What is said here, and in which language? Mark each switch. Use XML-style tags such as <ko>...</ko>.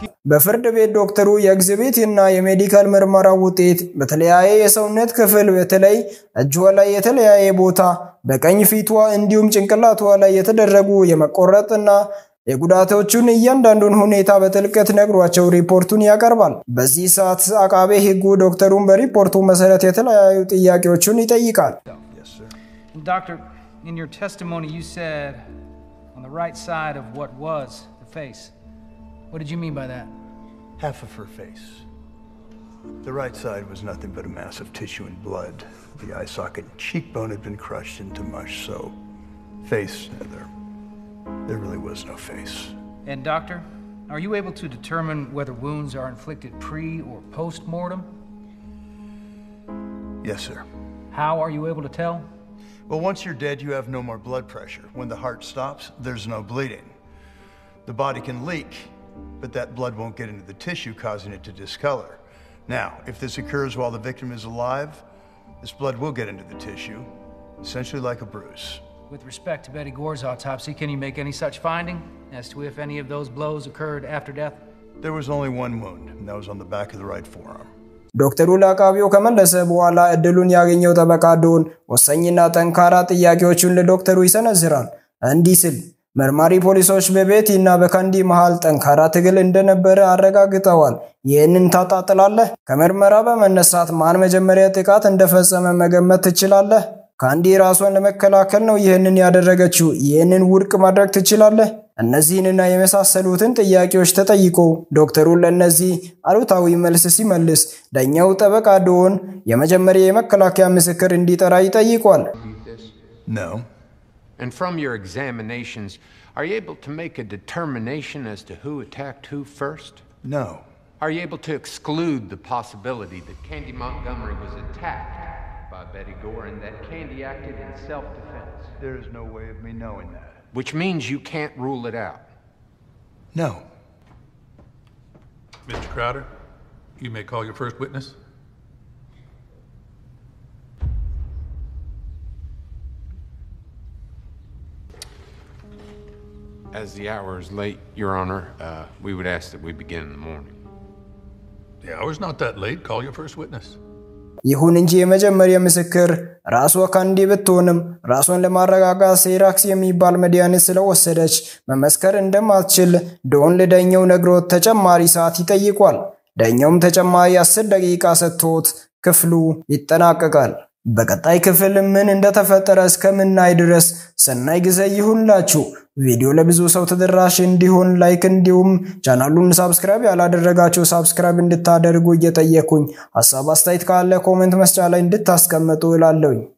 <am>በፍርድ ቤት ዶክተሩ የኤግዚቢት እና የሜዲካል ምርመራ ውጤት በተለያየ የሰውነት ክፍል በተለይ እጇ ላይ የተለያየ ቦታ በቀኝ ፊቷ እንዲሁም ጭንቅላቷ ላይ የተደረጉ የመቆረጥና የጉዳቶቹን እያንዳንዱን ሁኔታ በጥልቀት ነግሯቸው ሪፖርቱን ያቀርባል። በዚህ ሰዓት አቃቤ ሕጉ ዶክተሩን በሪፖርቱ መሰረት የተለያዩ ጥያቄዎችን ይጠይቃል።</am> <en>Doctor, in your testimony you said on the right side of what was the face. What did you mean by that? Half of her face. The right side was nothing but a mass of tissue and blood. The eye socket and cheekbone had been crushed into mush, so face, there really was no face. And doctor, are you able to determine whether wounds are inflicted pre or post-mortem? Yes, sir. How are you able to tell? Well, once you're dead, you have no more blood pressure. When the heart stops, there's no bleeding. The body can leak, but that blood won't get into the tissue, causing it to discolor. Now, if this occurs while the victim is alive, this blood will get into the tissue, essentially like a bruise. With respect to Betty Gore's autopsy, can you make any such finding as to if any of those blows occurred after death? There was only one wound, and that was on the back of the right forearm.</en> <am>ዶክተሩ ለአቃቢው ከመለሰ በኋላ እድሉን ያገኘው ጠበቃ ዶን ወሰኝና ጠንካራ ጥያቄዎቹን ለዶክተሩ ይሰነዝራል። እንዲህ ሲል መርማሪ ፖሊሶች በቤቲ እና በካንዲ መሃል ጠንካራ ትግል እንደነበረ አረጋግጠዋል። ይህንን ታጣጥላለህ? ከመርመራ በመነሳት ማን መጀመሪያ ጥቃት እንደፈጸመ መገመት ትችላለህ? ካንዲ ራሷን ለመከላከል ነው ይህንን ያደረገችው? ይህንን ውድቅ ማድረግ ትችላለህ? እነዚህንና የመሳሰሉትን ጥያቄዎች ተጠይቆ ዶክተሩ ለእነዚህ አሉታዊ መልስ ሲመልስ ዳኛው ጠበቃ ዶን የመጀመሪያ የመከላከያ ምስክር እንዲጠራ ይጠይቋል።</am> <en>And from your examinations, are you able to make a determination as to who attacked who first? No. Are you able to exclude the possibility that Candy Montgomery was attacked by Betty Gore and that Candy acted in self-defense? There is no way of me knowing that. Which means you can't rule it out. No. Mr. Crowder, you may call your first witness. As the hour is late, Your Honor, we would ask that we begin in the morning. The hour's not that late. Call your first witness.</en> <am>ይሁን እንጂ የመጀመሪያ ምስክር ራስዎ ካንዲ ብትሆንም ራስዎን ለማረጋጋት ሴራክስ የሚባል መድኃኒት ስለወሰደች መመስከር እንደማትችል ዶን ለዳኛው ነግሮት ተጨማሪ ሰዓት ይጠይቋል። ዳኛውም ተጨማሪ 10 ደቂቃ ሰጥቶት ክፍሉ ይጠናቀቃል። በቀጣይ ክፍል ምን እንደተፈጠረ እስከምናይ ድረስ ሰናይ ጊዜ ይሁንላችሁ። ቪዲዮ ለብዙ ሰው ተደራሽ እንዲሆን ላይክ እንዲሁም ቻናሉን ሰብስክራይብ ያላደረጋችሁ ሰብስክራይብ እንድታደርጉ እየጠየኩኝ ሐሳብ አስተያየት ካለ ኮሜንት መስጫ ላይ እንድታስቀምጡ እላለሁኝ።</am>